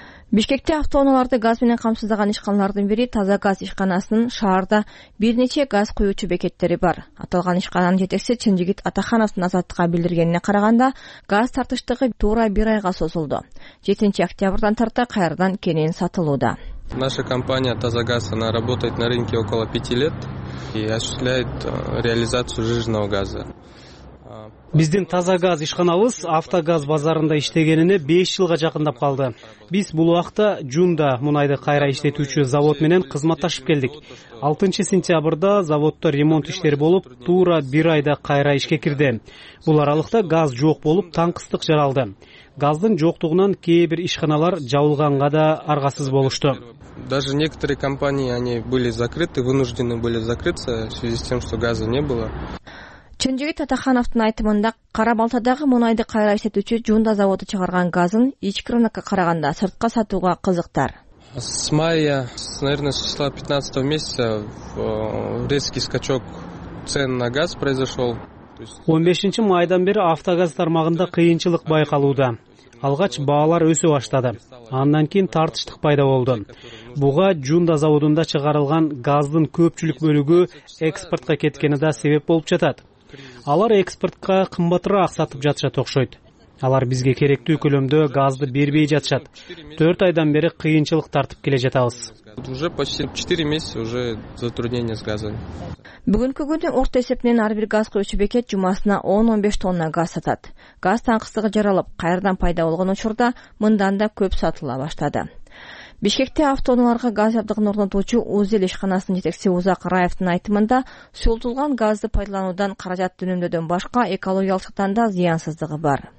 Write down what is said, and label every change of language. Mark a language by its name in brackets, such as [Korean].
[Kyrgyz] Бишкекте автоунааларды газ менен камсыздаган ишканалардын бири Таза Газ ишканасынын шаарда бир нече газ куюучу бекеттери бар. Аталган ишкананын жетекчиси Чынжигит Атахановдун Азаттыкка билдиргенине караганда, газ тартыштыгы туура бир айга созулду. 7 октябрдан тарта кайрадан кенен сатылууда. [Russian] Наша компания «Таза Газ» она работает на рынке около 5 лет и осуществляет реализацию жиженого газа. [Kyrgyz] Биздин «Таза Газ» ишканабыз автогаз базарында иштегенине 5 жылга жакындап калды. Биз бул убакта жунда мунайды кайра иштетүүчү завод менен кызматташып келдик. 6 сентябрда заводдо ремонт иштери болуп, туура бир айда кайра ишке кирди. Бул аралыкта газ жок болуп, таң кыстык жаралды. Газдын жоктугунан кээ бир ишканалар жабылганга да аргасыз болушту. [Russian] Даже некоторые компании они были закрыты, вынуждены были закрыться в связи с тем, что газа не было. [Kyrgyz] Чынжигит Атахановдун айтымында, Кара Балтадагы мунайды кайра иштетүүчү жунда заводу чыгарган газын ички рынокко караганда сыртка сатууга кызыктар. [Russian] С мая, наверное, с числа 15 месяца резкий скачок цен на газ произошел. [Kyrgyz] 15 майдан бери автогаз тармагында кыйынчылык байкалууда. Алгач баалар өсө баштады. Андан кийин тартыштык пайда болду. Буга жунда заводунда чыгарылган газдын көпчүлүк бөлүгү экспортко кеткени да себеп болуп жатат. Алар экспортко кымбатыраак сатып жатышат окшойт. Алар бизге керектүү көлөмдө газды бербей жатышат. 4 айдан бери кыйынчылык тартып келе жатабыз. [Russian] Уже почти 4 месяца уже затруднение с газом. [Kyrgyz] Бүгүнкү күндө орто эсеп менен ар бир газ куюучу бекет жумасына 10-15 тонна газ сатат. Газ таң кыстыгы жаралып, кайрадан пайда болгон учурда мындан да көп сатыла баштады. Бишкекте автоунааларга газ жабдыгын орнотуучу УЗЭЛ ишканасынын жетекчиси Узак Раевдин айтымында, суутулган газды пайдалануудан каражат түнөмдөдөн башка экологиялык жактан да зыянсыздыгы бар.